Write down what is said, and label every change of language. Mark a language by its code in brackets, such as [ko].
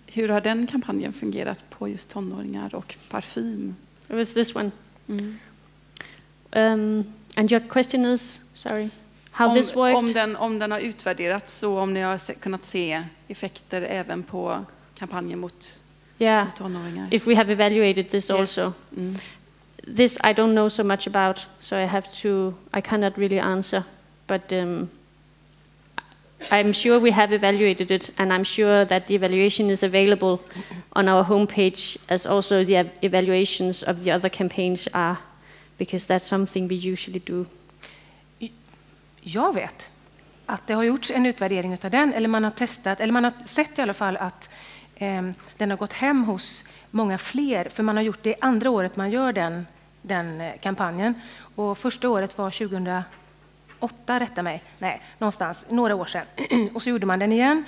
[sv] Hur har den kampanjen fungerat på just tonåringar och parfym? [en] It was this one. Mm. And your question is, sorry, how this worked? [sv] Om den har utvärderats, så om ni har kunnat se effekter även på kampanjen mot tonåringar. [en] If we have evaluated this, yes. Also. Mm. This I don't know so much about, so I cannot really answer, but I'm sure we have evaluated it, and I'm sure that the evaluation is available on our homepage, as also the evaluations of the other campaigns are, because that's something we usually do. [sv] Jag vet att det har gjorts en utvärdering av den, eller man har testat, eller man har sett i alla fall att den har gått hem hos många fler, för man har gjort det andra året man gör den kampanjen, och första året var 2008, rätta mig, nej, någonstans, några år sedan. Och så gjorde man den igen.